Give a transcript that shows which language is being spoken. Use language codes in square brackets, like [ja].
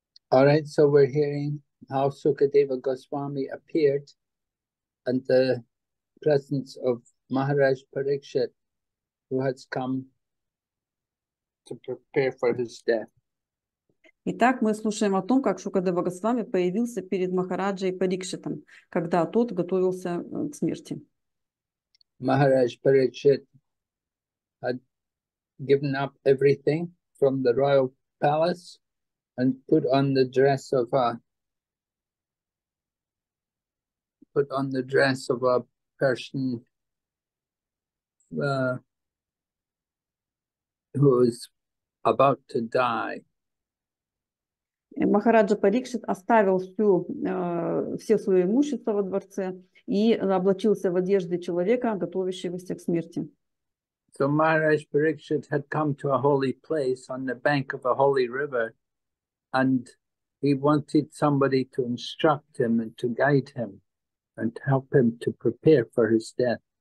[en] All right, so we're hearing how Sukadeva Goswami appeared and the presence of Maharaj Parikshit, who has come to prepare for his death. [ru] Итак, мы слушаем о том, как Шукадева Госвами появился перед Махараджей Парикшитом, когда тот готовился к смерти. [en] Махарадж Парикшит had given up everything from the royal palace and put on the dress of a person who is about to die. [ru] Махараджа Парикшит оставил все свое имущество во дворце и облачился в одежде человека, готовящегося к смерти. [en] So Maharaj Parikshit had come to a holy place on the bank of a holy river, and he wanted somebody to instruct him and to guide him and help him to prepare for his death.